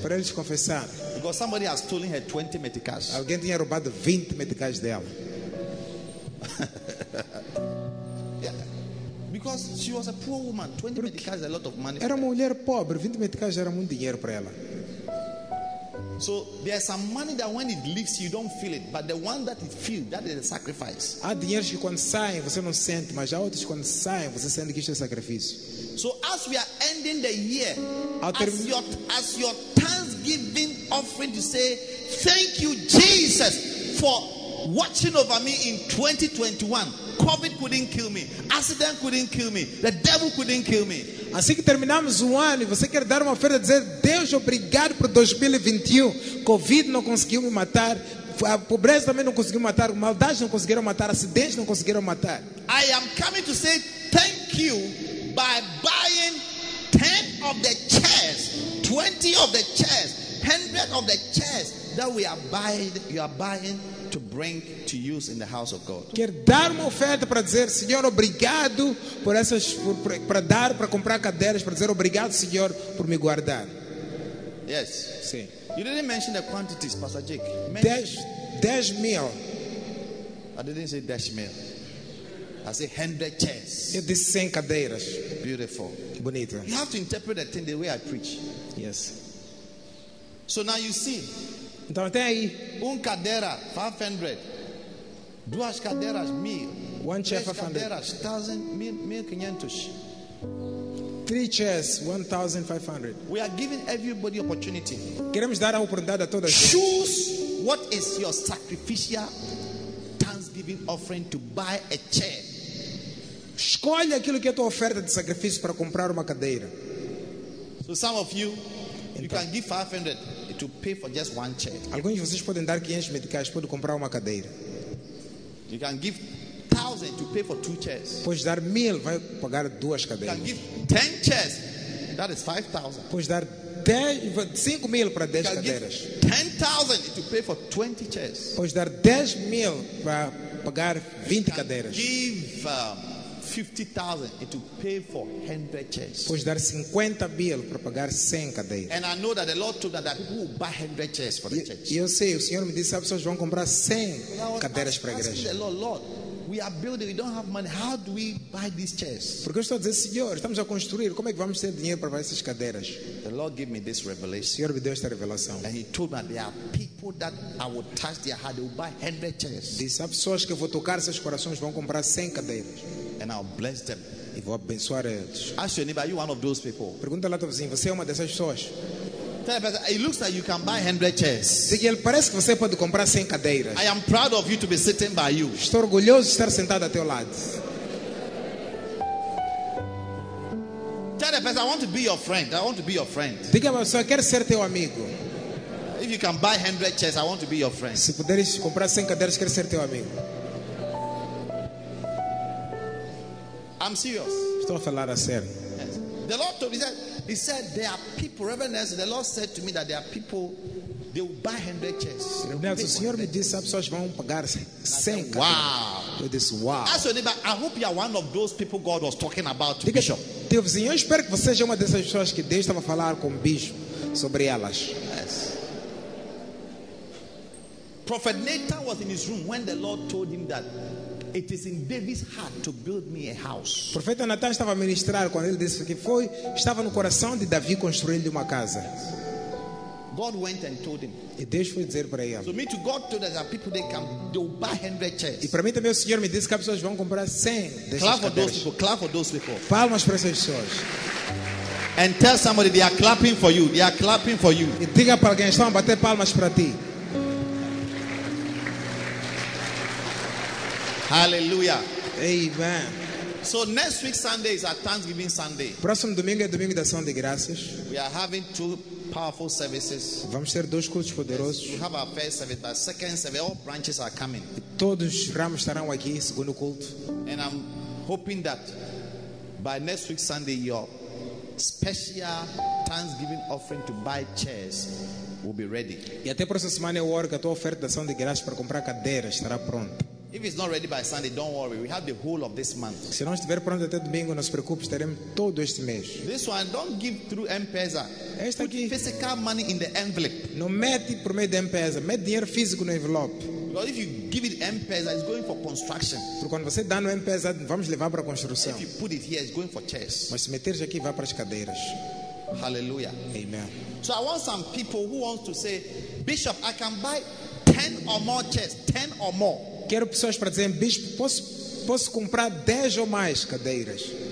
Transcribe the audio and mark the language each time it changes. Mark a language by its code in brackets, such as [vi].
[pt] Para eles confessar. [en] Because somebody has stolen her 20 meticais. [pt] Alguém tinha roubado 20 meticais dela. [en] Because she was a poor woman, 20 meticais is a lot of money. [pt] Era uma mulher pobre, 20 meticais era muito dinheiro para ela. [en] So there is some money that when it leaks you don't feel it, but the one that it feels, that is a sacrifice. [pt] Há dinheiros que quando saem você não sente, mas há outros que quando saem você sente que isso é sacrifício. [en] So as we are ending the year, as your Thanksgiving offering to say thank you Jesus for watching over me in 2021. COVID couldn't kill me. Accident couldn't kill me. The devil couldn't kill me. [pt] Assim que terminamos o ano, você quer dar uma oferta e dizer, Deus, obrigado por 2021. COVID não conseguiu me matar. A pobreza também não conseguiu me matar. Maldade não conseguiram matar. Acidentes não conseguiram matar. [en] I am coming to say thank you by buying 10 of the chairs, 20 of the chairs, 100 of the chairs that you are buying to bring to use in the house of God. [pt] Quer dar uma oferta para dizer, Senhor, obrigado por essas, para dar, para comprar cadeiras, para dizer obrigado, Senhor, por me guardar. [en] Yes. [pt] Sim. [en] You didn't mention the quantities, Pastor Jake. [pt] 10 mil. [en] I didn't say 10 mil. I say 100 chairs. [pt] Eu disse 100 cadeiras. [en] Beautiful. [pt] Bonita. [en] You have to interpret the thing the way I preach. Yes. So now you see. [pt] Então até aí. Cadeira, 500. Duas cadeiras, 1000. [en] One chair, 500. [pt] Três cadeiras, 1500. [en] Three chairs, 1500. We are giving everybody opportunity. [pt] Queremos dar a oportunidade a todas. [en] Choose what is your sacrificial thanksgiving offering to buy a chair. [pt] Escolhe aquilo que é tua oferta de sacrifício para comprar uma cadeira. [en] So some of you, então, you can give 500 to pay for just one chair. [pt] Alguns de vocês podem dar 500 medicais para comprar uma cadeira. [en] You can give 1000 to pay for two chairs. [pt] Pode dar 1000, vai pagar duas cadeiras. [en] You can give 10 chairs. That is 5000. [pt] Pode dar 5000 para 10 cadeiras. [en] 10000 to pay for 20 chairs. [pt] Pode dar 10000 para pagar 20 cadeiras. [en] Give 50000 to pay for 100 chairs. [pt] Pode dar 50000 para pagar 100 cadeiras. [en] And I know that the Lord told that people will buy 100 chairs for the church. [pt] Eu sei, o Senhor me disse as pessoas vão comprar 100 cadeiras para a igreja. [en] Lord, we are building, we don't have money. How do we buy these chairs? [pt] Porque eu estou a dizer, Senhor, estamos a construir. Como é que vamos ter dinheiro para essas cadeiras? [en] The Lord gave me this revelation. [pt] O Senhor me deu esta revelação. [en] And he told me there are people that I will touch their heart, they will buy 100 chairs. [pt] Disse, há pessoas que eu vou tocar seus corações, vão comprar 100 cadeiras. [en] And I'll bless them. [pt] E vou abençoar eles. [en] Ask your neighbor, are you one of those people? [pt] Pergunta lá ao teu vizinho, você é uma dessas pessoas? [en] It looks like you can buy 100 chairs. [pt] Ele parece que você pode comprar 100 cadeiras. [en] I am proud of you to be sitting by you. [pt] Estou orgulhoso de estar sentado ao teu lado. [en] Tell the person, I want to be your friend. I want to be your friend. [pt] Diga para a pessoa, quero ser teu amigo. [en] If you can buy 100 chairs, I want to be your friend. [pt] Se puderes comprar 100 cadeiras, quero ser teu amigo. [en] I'm serious. [pt] Estou a falar a sério. [en] Yes. The Lord told me that. He said there are people, Reverend Nelson, the Lord said to me that there are people, they will buy 100 chairs. [pt] Nelson, o Senhor me disse, as pessoas vão pagar 100. [en] Wow. [pt] Eu disse, wow. [en] Ask your neighbor, I hope you are one of those people God was talking about. [pt] Diga, Bishop. Teu vizinho, eu espero que você seja uma dessas pessoas que Deus estava a falar com o bicho sobre elas. [en] Yes. Prophet Nathan was in his room when the Lord told him that it is in David's heart to build me a house. [pt] O profeta Natan estava a ministrar quando ele disse que foi, estava no coração de Davi construir-lhe uma casa. [en] God went and told him. [pt] E Deus foi dizer para ele. [en] So me to God told us that people they can they will buy 100 chairs. [pt] E para mim também o Senhor me disse que as pessoas vão comprar 100 dessas [en] cadeiras. Clap for those people. Clap for those people. [pt] Palmas para essas pessoas. [en] And tell somebody they are clapping for you. They are clapping for you. [pt] E diga para alguém, estão a bater palmas para ti. Hallelujah. Amen. [en] So next week Sunday is our Thanksgiving Sunday. [pt] Próximo domingo é domingo da ação de graças. [en] We are having two powerful services. [pt] Vamos ter dois cultos poderosos. [en] Yes, we have our first service, but second service, all branches are coming. [pt] E todos os ramos estarão aqui, segundo culto. [en] And I'm hoping that by next week Sunday, your special Thanksgiving offering to buy chairs will be ready. [pt] E até a próxima semana eu oro que a tua oferta da ação de graças para comprar cadeiras estará pronta. [en] If it's not ready by Sunday, don't worry. We have the whole of this month. [pt] Se não estiver pronto até domingo, não se preocupe, estaremos todo este mês. [en] This one, don't give through M-Pesa. [pt] Esta aqui, [en] put physical money in the envelope. [pt] Não mete por meio de M-Pesa. Mete dinheiro físico no envelope. [en] Because if you give it M-Pesa, it's going for construction. [pt] Porque quando você dá no M-Pesa, vamos levar para a construção. [en] If you put it here, it's going for chairs. [pt] Mas se meteres aqui, vai para as cadeiras. Hallelujah. Amen. [en] So I want some people who want to say, Bishop, I can buy 10 or more chairs. 10 or more. [pt] Quero pessoas para dizer, bispo, posso comprar 10 ou mais cadeiras?